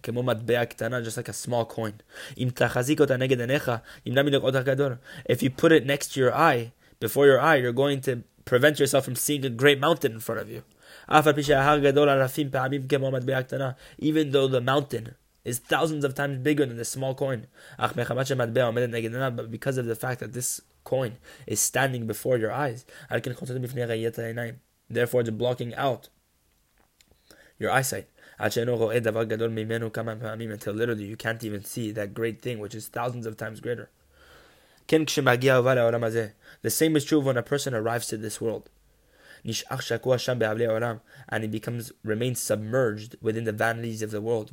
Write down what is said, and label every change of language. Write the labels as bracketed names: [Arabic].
[Hebrew] כמו מטבע קטנה, [English] just like a small coin. [Hebrew] אם תחזיק אותה נגד עיניך, ימנע מלך אותך גדול. [English] If you put it next to your eye, before your eye, you're going to prevent yourself from seeing a great mountain in front of you. [Hebrew] אף על פי שההר גדול אלפים פעמים כמו מטבע קטנה, [English] even though the mountain is thousands of times bigger than the small coin. [Hebrew] אך מחמת שמטבע עומדת נגד עיניך, [English] but because of the fact that this coin is standing before your eyes, [Hebrew] על כן חוצה בפני ראיית העיניים. [English] Therefore, it's blocking out your eyesight. Until literally you can't even see that great thing, which is thousands of times greater. The same is true when a person arrives to this world. And he becomes remains submerged within the vanities of the world.